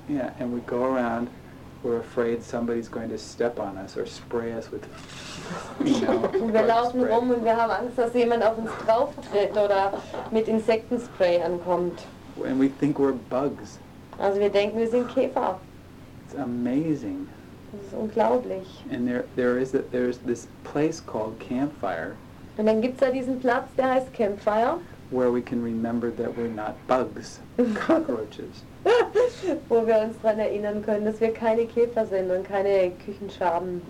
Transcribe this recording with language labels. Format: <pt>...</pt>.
<en>Yeah, and we go around, we're afraid somebody's going to step on us or spray us with,</en> <de>und wir laufen rum und wir haben Angst, dass jemand auf uns drauf tritt oder mit Insektenspray ankommt.</de> <en>And we think we're bugs.</en> <de>Also wir denken, wir sind Käfer.</de> <en>It's amazing.</en> <de>Das ist unglaublich.</de> <en>And there's this place called Campfire.</en> <de>Und dann gibt's da diesen Platz, der heißt Campfire.</de> <en>Where we can remember that we're not bugs, cockroaches.</en> <de>Wo wir uns daran erinnern können, dass wir keine Käfer sind und keine Küchenschaben.</de>